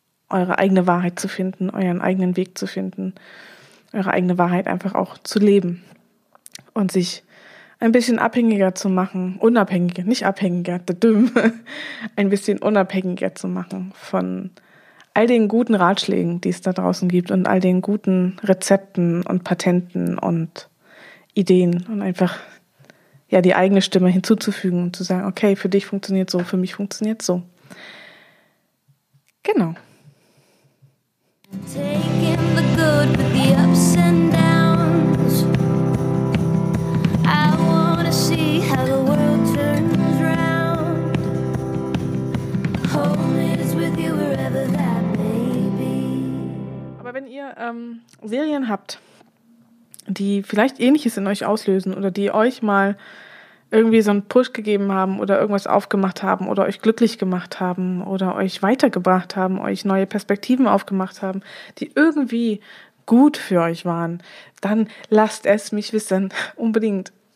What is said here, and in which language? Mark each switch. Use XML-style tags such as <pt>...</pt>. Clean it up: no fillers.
<de>Eure eigene Wahrheit zu finden, euren eigenen Weg zu finden, eure eigene Wahrheit einfach auch zu leben und sich ein bisschen abhängiger zu machen, unabhängiger, nicht abhängiger, ein bisschen unabhängiger zu machen von all den guten Ratschlägen, die es da draußen gibt und all den guten Rezepten und Patenten und Ideen und einfach ja die eigene Stimme hinzuzufügen und zu sagen, okay, für dich funktioniert so, für mich funktioniert so. Genau.</de> <en>Taking the good with the ups and downs. I wanna see how the world turns round. Home is with you wherever that may be.</en> <de>Aber wenn ihr Serien habt, die vielleicht Ähnliches in euch auslösen oder die euch mal irgendwie so einen Push gegeben haben oder irgendwas aufgemacht haben oder euch glücklich gemacht haben oder euch weitergebracht haben, euch neue Perspektiven aufgemacht haben, die irgendwie gut für euch waren, dann lasst es mich wissen, unbedingt.</de>